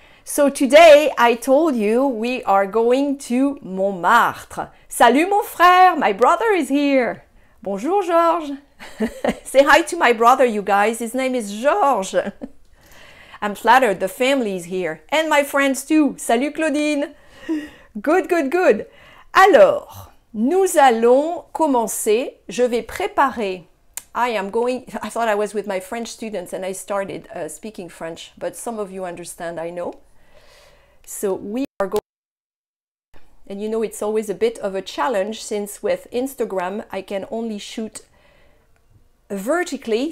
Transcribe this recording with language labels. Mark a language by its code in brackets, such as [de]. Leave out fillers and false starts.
[en] So today, I told you, we are going to Montmartre. [fr] Salut mon frère, [en] my brother is here. [fr] Bonjour Georges. [en] Say hi to my brother, you guys, his name is Georges. I'm flattered the family's here and my friends too. [fr] Salut Claudine. [en] Good, good, good. [fr] Alors, nous allons commencer. Je vais préparer [en] I am going, I thought I was with my French students and I started speaking French, but some of you understand, I know. So we are going, and you know, it's always a bit of a challenge since with Instagram, I can only shoot vertically.